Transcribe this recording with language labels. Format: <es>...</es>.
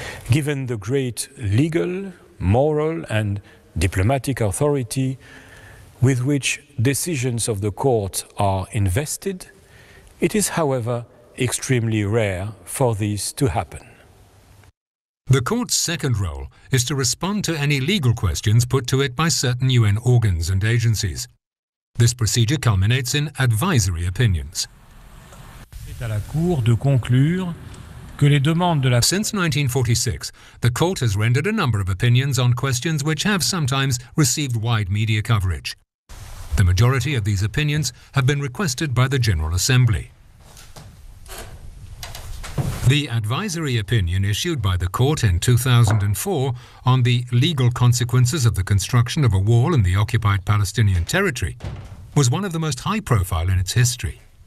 <en>Given the great legal, moral, and diplomatic authority with which decisions of the court are invested, it is, however, extremely rare for this to happen. The court's second role is to respond to any legal questions put to it by certain UN organs and agencies. This procedure culminates in advisory opinions.</en> <fr>C'est à la cour de conclure que les demandes de la...</fr> <en>Since 1946, the court has rendered a number of opinions on questions which have sometimes received wide media coverage. The majority of these opinions have been requested by the General Assembly. The advisory opinion issued by the court in 2004 on the legal consequences of the construction of a wall in the occupied Palestinian territory was one of the most high-profile in its history.</en>